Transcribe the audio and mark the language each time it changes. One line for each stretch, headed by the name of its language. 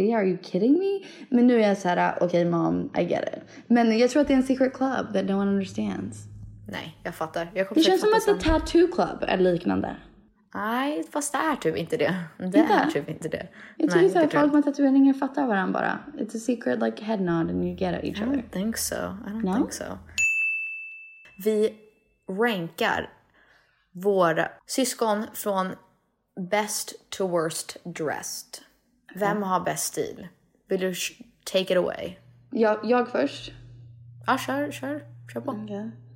English: Are you kidding me?
Swedish: Men nu är jag så här, okej,
English: mom, I get it.
Swedish: Men jag tror att det är en
English: secret club that no one understands.
Swedish: Nej, jag fattar. Jag det känns som att The Tattoo Club är liknande. Nej, fast det är typ inte det. Det är typ inte det. Jag tycker att folk med tatueringar fattar varandra bara.
English: It's a secret like head nod and you get it each other. I don't think so.
Swedish: Vi rankar våra syskon från
English: best to worst dressed.
Swedish: Vem har bäst stil? Vill du
English: take it away?
Swedish: Jag först. Ja, kör på. Okay.